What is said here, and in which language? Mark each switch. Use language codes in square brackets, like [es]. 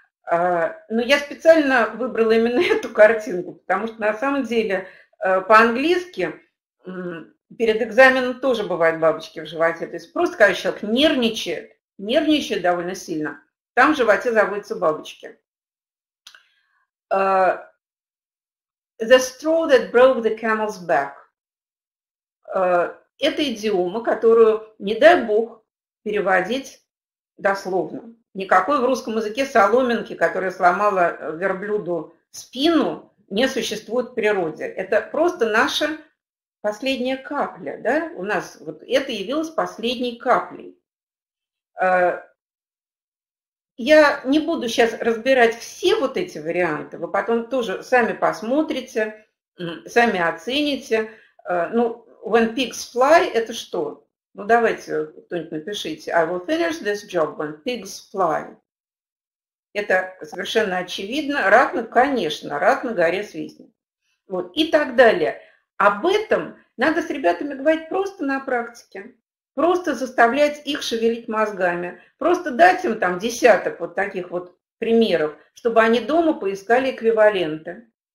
[ru] Но я специально выбрала именно эту картинку, потому что на самом деле по-английски перед экзаменом тоже бывают бабочки в животе. То есть просто, когда человек нервничает, нервничает довольно сильно, там в животе заводятся бабочки. [en] The straw that broke the camel's back. [ru] Это идиома, которую, не дай бог, переводить дословно. Никакой в русском языке соломинки, которая сломала верблюду спину, не существует в природе. Это просто наша последняя капля, да? У нас вот это явилось последней каплей. Я не буду сейчас разбирать все вот эти варианты, вы потом тоже сами посмотрите, сами оцените. Ну, [en] when pigs fly, [ru] это что? Ну, давайте кто-нибудь напишите. [en] I will finish this job when pigs fly. [ru] Это совершенно очевидно. Ратно, конечно, ратно горе свистнет. Вот, и так далее. Об этом надо с ребятами говорить просто на практике. Просто заставлять их шевелить мозгами. Просто дать им там десяток вот таких вот примеров, чтобы они дома поискали эквиваленты.